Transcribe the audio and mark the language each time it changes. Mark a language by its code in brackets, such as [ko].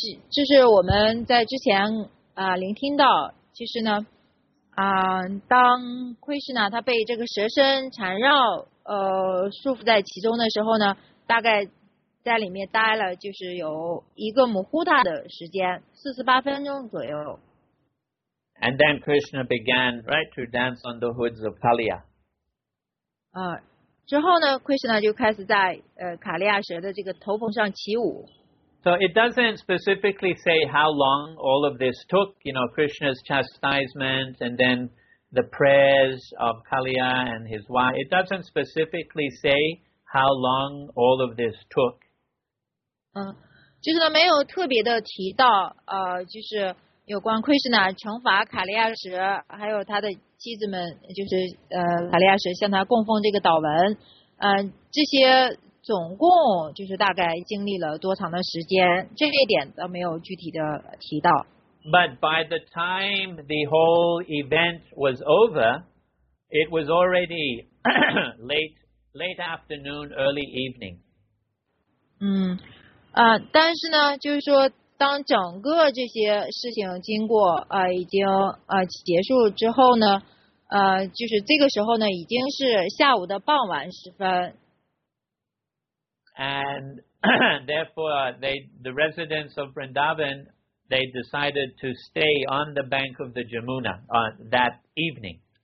[zh] 这是我们在之前聆听到，其实呢，当 Krishna 他被这个蛇身缠绕，束缚在其中的时候呢，大概在里面待了就是有一个姆呼塔的时间，48分钟左右。 [en] And then Krishna began right to dance on the hoods of Kaliya. [zh] 之后呢 ，Krishna 就开始在卡利亚蛇的这个头棚上起舞。 [en] So it doesn't specifically say how long all of this took, you know, Krishna's chastisement and then the prayers of Kaliya and his wife. It doesn't specifically say how long all of this took. [zh] 就是没有特别的提到，就是有关 Krishna 惩罚卡利亚蛇，还有他的妻子们，就是卡利亚蛇向他供奉这个祷文，这些。总共就是大概经历了多长的时间，这一点都没有具体的提到。 [en] But by the time the whole event was over, it was already late afternoon, early evening. [zh] 但是呢，就是说，当整个这些事情经过已经结束之后呢，就是这个时候呢，已经是下午的傍晚时分。 [en] And therefore, the residents of Vrindavan, they decided to stay on the bank of the Jamuna on that evening.